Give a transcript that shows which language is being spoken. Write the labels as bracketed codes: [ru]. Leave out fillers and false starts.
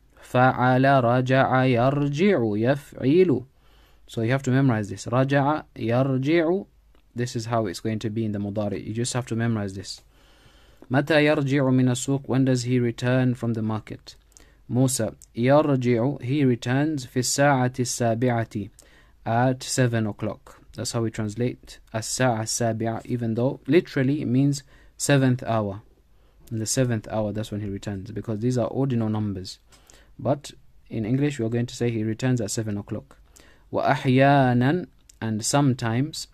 [ar] فَعَلَ رَجَعَ يَرْجِعُ يَفْعِيلُ. [en] So you have to memorize this. [ar] رَجَعَ يَرْجِعُ. [en] This is how it's going to be in the مضارع. You just have to memorize this. [ar] مَتَى يَرْجِعُ مِنَ السُّوق. [en] When does he return from the market? [ar] Musa. يَرْجِعُ. [en] He returns [ar] فِي السَّاعَةِ السَّابِعَةِ. [en] At 7 o'clock. That's how we translate [ar] السَّاعَةِ السَّابِعَةِ. [en] Even though literally it means 7th hour. In the 7th hour, that's when he returns. Because these are ordinal numbers. But in English, we are going to say he returns at 7 o'clock. [ar] وَأَحْيَانًا. [en] And sometimes.